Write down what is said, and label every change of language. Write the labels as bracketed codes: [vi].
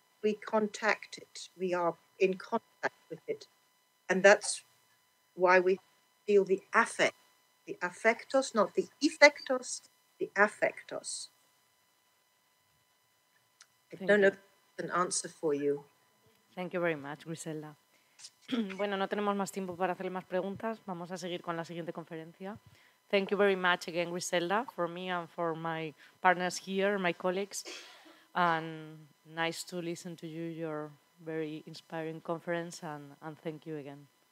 [en] We contact it. We are in contact with it. And that's why we feel the affect, the affectos, not the effectos, the affectos. I don't know if that's an answer for you. Thank you very much, Griselda. [es] Bueno, no tenemos más tiempo para hacerle más preguntas. Vamos a seguir con la siguiente conferencia. [en] Thank you very much again, Griselda, for me and for my partners here, my colleagues. And nice to listen to you, your very inspiring conference, and thank you again.